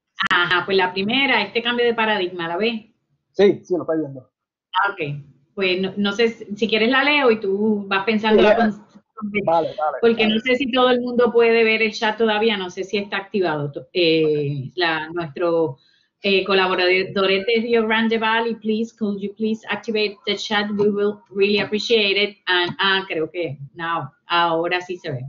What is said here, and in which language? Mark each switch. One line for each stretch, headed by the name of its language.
Spanish: Ajá, pues la primera, este cambio de paradigma, ¿la ves? Sí, sí, lo estoy viendo. Ah, ok. Pues no sé, si quieres la leo y tú vas pensando. Sí, la vale, vale. Porque vale. No sé si todo el mundo puede ver el chat todavía, no sé si está activado nuestro... colaboradores de
English: Rio Grande Valley, please, could you please activate the chat? We will really appreciate it. And
Spanish: creo que
English: now,
Spanish: ahora sí se ve.